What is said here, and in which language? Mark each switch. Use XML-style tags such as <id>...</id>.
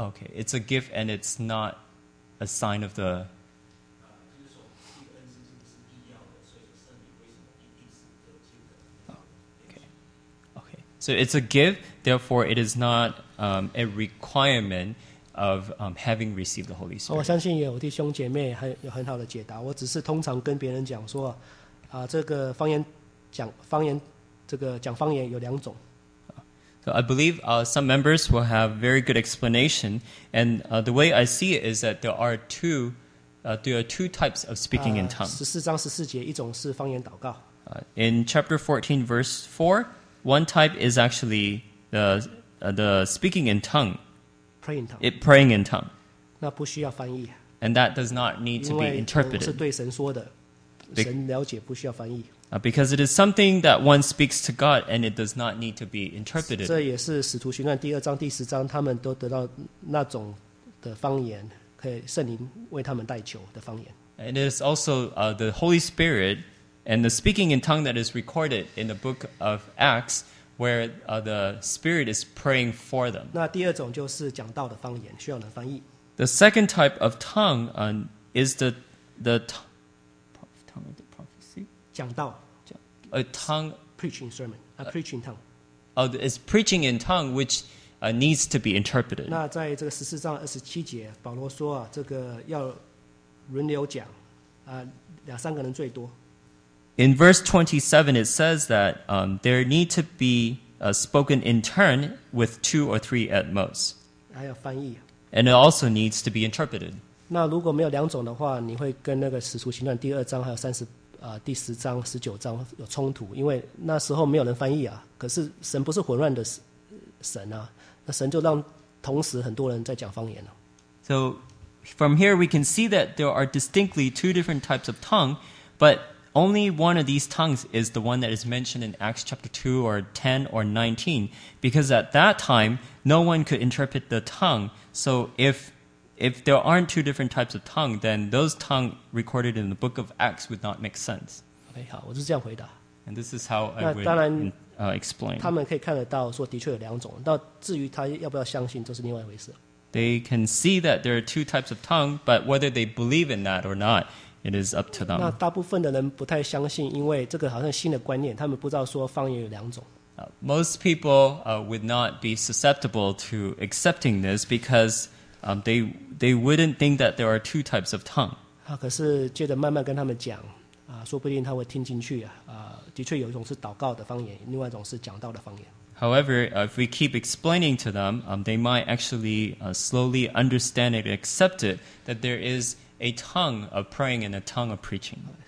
<en>Okay, it's a gift and it's not a sign of the... So it's a gift, therefore it is not a requirement of having received the Holy Spirit.</en> <zh>我相信也有弟兄姐妹有很好的解答。我只是通常跟别人讲说，这个方言讲方言，这个讲方言有两种。</zh> <en>So I believe some members will have very good explanation, and the way I see it is that there are two types of speaking in tongues.</en> <zh>十四章十四节，一种是方言祷告。</zh> <en>In chapter 14, verse 4. One type is actually the speaking in tongue. Pray in tongue. It praying in tongue.</en> <zh>那不需要翻译。</zh> <en>And that does not need to be interpreted.</en> <zh>因为是对神说的，神了解，不需要翻译。</zh> <en>Because it is something that one speaks to God, and it does not need to be interpreted.</en> <zh>这也是使徒行传第二章第十章，他们都得到那种的方言，可以圣灵为他们代求的方言。</zh> <en>And it is also the Holy Spirit. And the speaking in tongue that is recorded in the book of Acts, where the Spirit is praying for them.</en> <zh>那第二种就是讲道的方言，需要人翻译。</zh> <en>The second type of tongue is the tongue of the prophecy.</en> <zh>讲道。</zh> <en>A tongue. Preaching sermon. A preaching tongue. It's preaching in tongue, which needs to be interpreted.</en> <zh>那在这个十四章二十七节，保罗说啊，这个要轮流讲，两三个人最多。</zh> <en>In verse 27, it says that there need to be spoken in turn with two or three at most.</en> <zh>还要翻译。</zh> <en>And it also needs to be interpreted.</en> <zh>那如果没有两种的话，你会跟那个《使徒行传》第二章还有三十第十章、十九章有冲突，因为那时候没有人翻译啊。可是神不是混乱的神啊，那神就让同时很多人在讲方言了。</zh> <en>So from here we can see that there are distinctly two different types of tongue, but only one of these tongues is the one that is mentioned in Acts chapter 2 or 10 or 19, because at that time, no one could interpret the tongue. So if if there aren't two different types of tongue, then those tongue recorded in the book of Acts would not make sense.</en> <zh>Okay, 好，我是这样回答。</zh> <en>And this is how I would explain.</en> <zh>他们可以看得到说的确有两种，但至于他要不要相信，这是另外一回事。</zh> <en>They can see that there are two types of tongue, but whether they believe in that or not, it is up to them.</en> <zh>那大部分的人不太相信，因为这个好像新的观念，他们不知道说方言有两种。</zh> <en>Most people would not be susceptible to accepting this because they wouldn't think that there are two types of tongue.</en> <zh>可是接着慢慢跟他们讲，说不定他会听进去，的确有一种是祷告的方言，另外一种是讲道的方言。</zh> <en>However, if we keep explaining to them, they might actually slowly understand it, accept it, that there is a tongue of praying and a tongue of preaching.</en>